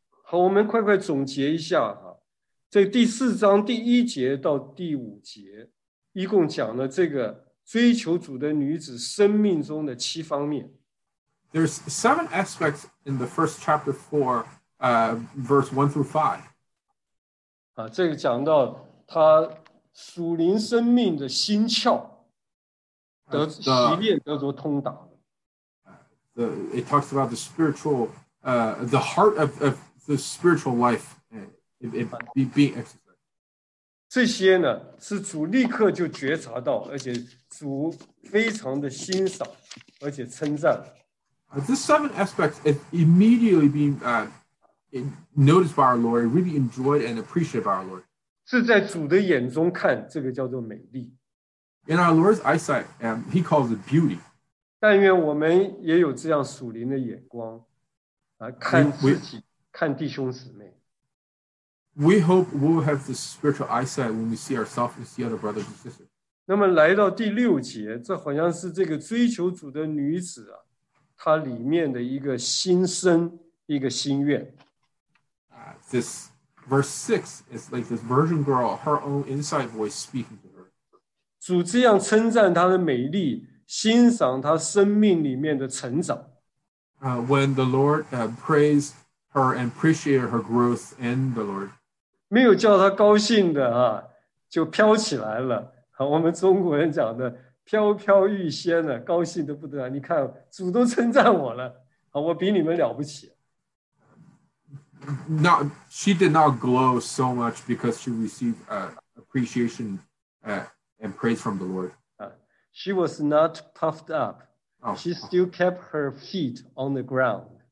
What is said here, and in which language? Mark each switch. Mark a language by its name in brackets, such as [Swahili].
[Chinese] 好，我们快快总结一下哈，这第四章第一节到第五节，一共讲了这个追求主的女子生命中的七方面。 [English] There's seven aspects in the first chapter four. Verse 1 through 5. [Chinese] 这个讲到他属灵生命的心窍得习练得着通达。 [English] It talks about the spiritual, the heart of the spiritual life, being exercised. [Chinese] 这些呢是主立刻就觉察到，而且主非常的欣赏，而且称赞。 [English] This seven aspects is immediately being noticed by our Lord, really enjoyed and appreciated by our Lord. [Chinese] 是在主的眼中看，这个叫做美丽。 [English] In our Lord's eyesight, He calls it beauty. [Chinese] 但愿我们也有这样属灵的眼光，看自己，看弟兄姊妹。 [English] We hope we will have the spiritual eyesight when we see ourselves and see other brothers and sisters. [Chinese] 那么来到第六节，这好像是这个追求主的女子啊，她里面的一个心声，一个心愿。 [English] This verse 6 is like this virgin girl, her own inside voice speaking to her. [Chinese] 主这样称赞她的美丽，欣赏她生命里面的成长。 [English] When the Lord praised her and appreciated her growth in the Lord. [Chinese] 没有叫她高兴的啊，就飘起来了。我们中国人讲的飘飘欲仙呢，高兴得不得了。你看，主都称赞我了，好，我比你们了不起。 [English] Not, she did not glow so much because she received appreciation and praise from the Lord. She was not puffed up. She still kept her feet on the ground.